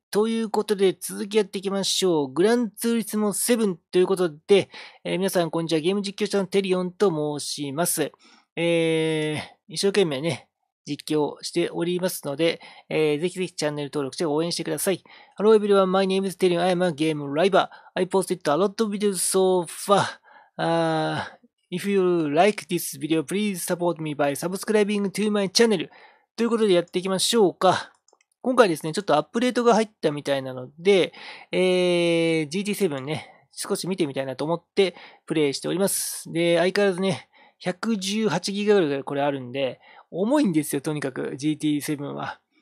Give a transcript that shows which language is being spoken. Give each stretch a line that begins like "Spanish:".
Japanese: ということで、続きやっていきましょう。グランツーリスモ7ということで、皆さん、こんにちは。ゲーム実況者のテリオンと申します。一生懸命ね、実況しておりますので、ぜひぜひチャンネル登録して応援してください。
English: Hello everyone, my name is Terion. I am a game driver. I posted a lot of videos so far. If you like this video, please support me by subscribing to my channel.
Japanese: ということでやっていきましょうか。今回ですね、ちょっとアップデートが入ったみたいなので、GT7 ね、少し見てみたいなと思ってプレイしております。で、相変わらずね、118GB ぐらいこれあるんで、重いんですよ、とにかく GT7 は。